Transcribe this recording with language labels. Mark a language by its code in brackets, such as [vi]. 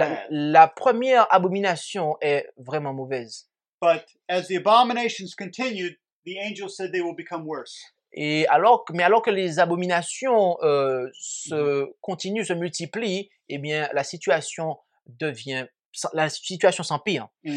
[fr] La première abomination est vraiment mauvaise. [en] But as the abominations continued, the angel said they will become worse. [fr] Mais alors que les abominations continuent, se multiplient, eh bien la situation devient la situation s'empire.